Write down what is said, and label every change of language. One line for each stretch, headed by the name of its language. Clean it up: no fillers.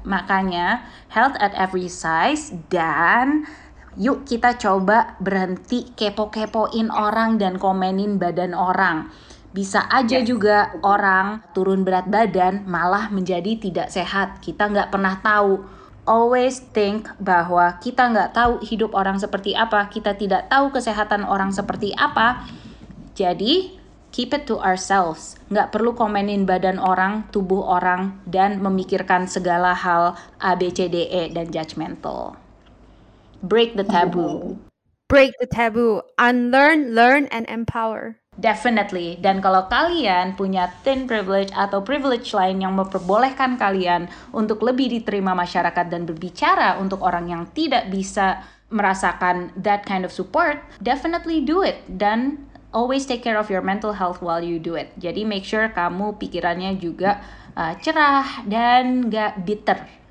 Indonesian: Makanya health at every size, dan yuk kita coba berhenti kepo-kepoin orang dan komenin badan orang. Bisa aja yes. juga orang turun berat badan malah menjadi tidak sehat. Kita nggak pernah tahu.
English: Always think
Indonesian: bahwa kita nggak tahu hidup orang seperti apa. Kita tidak tahu kesehatan orang seperti apa.
English: Jadi, keep it to ourselves.
Indonesian: Nggak perlu komenin badan orang, tubuh orang, dan memikirkan segala hal A, B, C, D, E, dan judgmental.
English: Break the taboo. Break the taboo. Unlearn, learn, and empower.
Indonesian: Definitely. Dan kalau kalian punya thin privilege atau privilege lain yang memperbolehkan kalian untuk lebih diterima masyarakat dan berbicara untuk orang yang tidak bisa merasakan
English: that kind of support, definitely do it. Dan always take care of your mental health while you do it.
Indonesian: Jadi
English: make sure
Indonesian: kamu pikirannya juga cerah dan gak bitter.